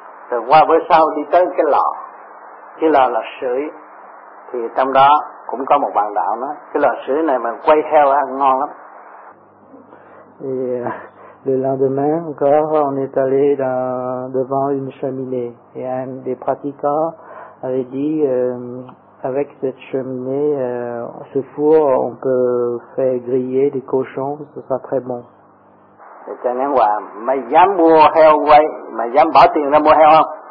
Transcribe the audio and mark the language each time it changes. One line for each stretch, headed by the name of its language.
Vietnamese: Rồi qua bữa sau đi tới cái lò là sưởi, thì trong đó cũng có một bạn đạo nói, cái lò sưởi này mà quay heo ăn ngon lắm.
French: Et le lendemain encore, on est allé devant une cheminée, et un des pratiquants avait dit, avec cette cheminée, ce four, on peut faire griller des cochons, ce sera très bon.
Vietnamese: Cha Nhãn Hòa, mày dám mua heo quay, mày dám bỏ tiền ra mua heo không?